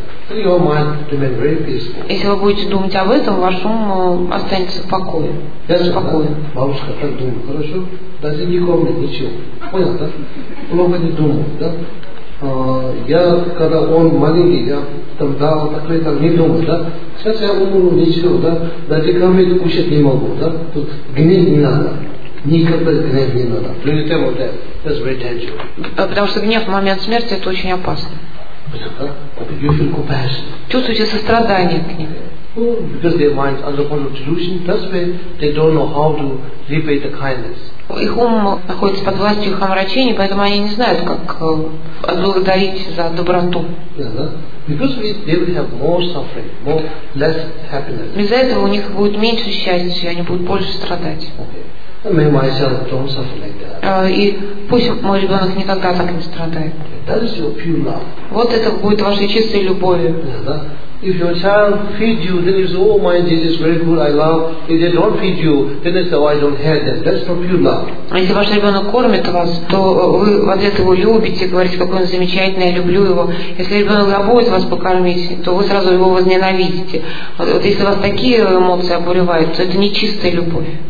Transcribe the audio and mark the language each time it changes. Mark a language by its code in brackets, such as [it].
[en] Your mind remains very peaceful. [ru] Если вы будете думать об этом, ваш ум останется в покое. Бабушка так думает, хорошо? Даже не кормит, ничего. Понял, да? Плохо не думал, да? Я, когда он маленький, я там дал, так не думал, да? Сейчас я умру, ничего, да? Даже кормить кушать не могу, да? Тут гнить не надо. Никогда гнить не надо. [en] That's very dangerous. [ru] Потому что гнев в момент смерти – это очень опасно. [en] You feel compassion. [ru] Чувствуете сострадание к ним. [en] Because their minds undergone delusion, that's why they don't know how to repay the kindness. [ru] Их ум находится под властью их омрачений, поэтому они не знают, как отблагодарить за доброту. [en] Because they will have more suffering, more less happiness. [ru] Из-за этого у них будет меньше счастья, они будут больше страдать. [en] Okay. May myself don't suffer like that. [ru] И пусть мой ребенок никогда так не страдает. [en] That is your pure love. [ru] Вот это будет вашей чистой любовью. [en] If your child feed you, then you say, oh, my Jesus, very good, I love. If they don't feed you, then they say, oh, I don't have them. That's not pure love. [ru] Если ваш ребенок кормит вас, то вы в ответ его любите, говорите, какой он замечательный, я люблю его. Если ребенок забудет вас покормить, то вы сразу его возненавидите. Вот если вас такие эмоции обуревают, то это не чистая любовь.